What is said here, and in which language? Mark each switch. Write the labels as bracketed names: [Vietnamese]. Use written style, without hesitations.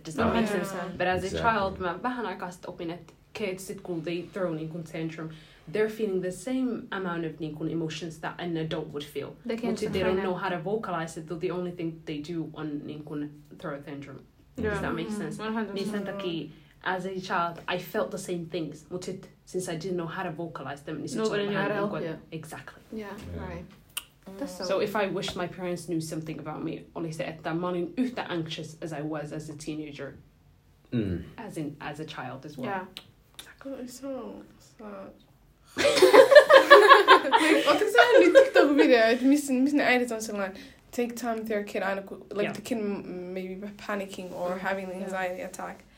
[English] Does that make sense? But as a child [Finnish] mä vähän aikaa sit opin että [English] kids [Finnish] sit kun [English] they throw niinku tantrum, they're feeling the same amount of niinku emotions that an adult would feel. They don't know how to vocalize it, though the only thing they do on niinku throw a tantrum. Does that make sense? 100%. [Finnish] Niin sen takia, [English] as a child, I felt the same things. [Finnish] Mut sit, [English] since I didn't know how to vocalize them, [Finnish] niin sit sulla vähän niin kuin... [English] Exactly. Yeah, right. So if I wish my parents knew something about me, [Finnish] oli se, että mä olin yhtä [English] anxious as I was as a teenager. As a child as well. Yeah. Exactly. So sad. [Finnish] Oletko sä nähnyt TikTok-videoa, että missä ne äidit on sellainen... [English] Take time with your kid, [Finnish] aina, [English] like the kid maybe panicking or having an anxiety attack.